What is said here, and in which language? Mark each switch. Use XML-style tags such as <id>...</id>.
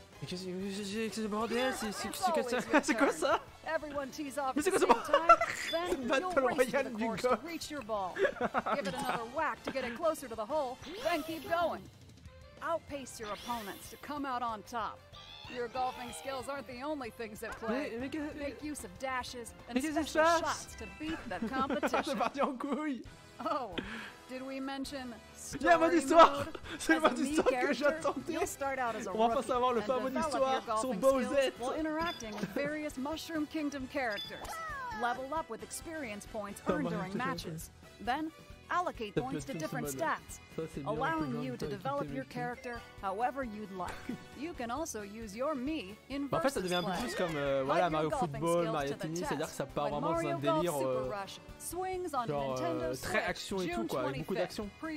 <fr>Qu'est-ce que c'est, bordel, c'est quoi ça?</fr> <en>Everyone tease off.</en> <fr>Mais c'est quoi ce bordel? Battle Royale du golf.</fr> <en>Give it another whack to get it closer to the hole, then keep going. Outpace your opponents to come out on top. Your golfing skills aren't the only things at play. Make use of dashes and special shots to beat the competition.</en> <fr>C'est parti en couille.</fr> <en>Oh, did we mention?</en> <fr>Il y a un mode d'histoire. C'est le mode d'histoire que j'attendais. On va enfin savoir le fameux mode d'histoire, son Bowsette.</fr> <en>While interacting with various Mushroom Kingdom characters, level up with experience points earned during matches. Then, allocate points to different stats, allowing you to develop your character however you'd like. You can also use your me in versus.</en> <fr>En fait, ça devient un peu plus comme voilà Mario Football, Mario Tennis, c'est-à-dire que ça part vraiment dans un délire. Genre très action et tout quoi, avec beaucoup d'action.</fr>